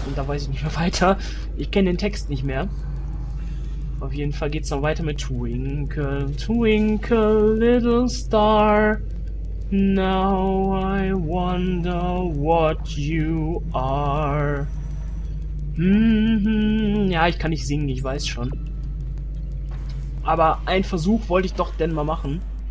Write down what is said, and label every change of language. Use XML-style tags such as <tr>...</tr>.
<de>Und da weiß ich nicht mehr weiter. Ich kenne den Text nicht mehr. Auf jeden Fall geht es noch weiter mit</de> <en>Twinkle, twinkle, little star. Now I wonder what you are.</en> <de>Ja, ich kann nicht singen, ich weiß schon. Aber einen Versuch wollte ich doch denn mal machen.</de>